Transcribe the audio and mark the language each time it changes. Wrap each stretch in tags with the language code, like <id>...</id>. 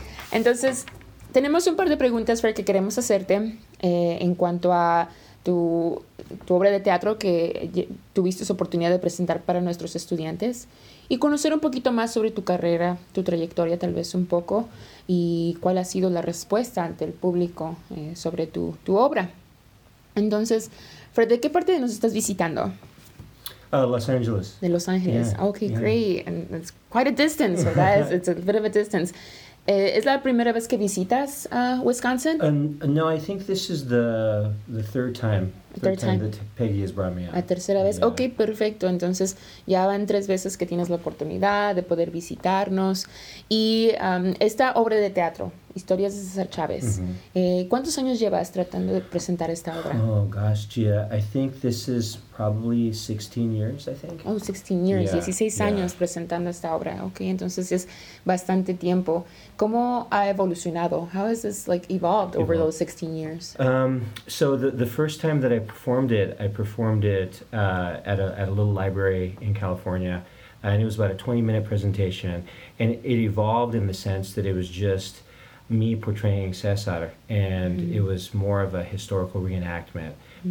<es>Entonces, tenemos un par de preguntas que queremos hacerte en cuanto a tu obra de teatro que tuviste su oportunidad de presentar para nuestros estudiantes y conocer un poquito más sobre tu carrera, tu trayectoria tal vez un poco y cuál ha sido la respuesta ante el público sobre tu obra. Entonces, Fred, ¿de qué parte nos estás visitando?</es> <en>Los Angeles.</en> <es>De Los Ángeles.</es> <en>Yeah. Okay, yeah. Great. And it's quite a distance. So that is, it's a bit of a distance.</en> <es>¿Es la primera vez que visitas Wisconsin?</es> <en>No, I think this is the third time that Peggy has brought me out.</en> <es>¿La tercera vez? Yeah. Okay, perfecto. Entonces, ya van tres veces que tienes la oportunidad de poder visitarnos. Y esta obra de teatro, Historias de César Chávez, mm-hmm. ¿Cuántos años llevas tratando de presentar esta obra?</es> <en>Oh, gosh, Gia, I think this is probably 16 years, I think. Oh, 16 years, yeah.</en> <es>16 yeah. años presentando esta obra. Okay, entonces es bastante tiempo. ¿Cómo ha evolucionado?</es> <en>How has this, like, evolved over those 16 years? So the first time that I performed it at a little library in California, and it was about a 20-minute presentation, and it evolved in the sense that it was just me portraying César, and mm-hmm. it was more of a historical reenactment, mm-hmm.</en>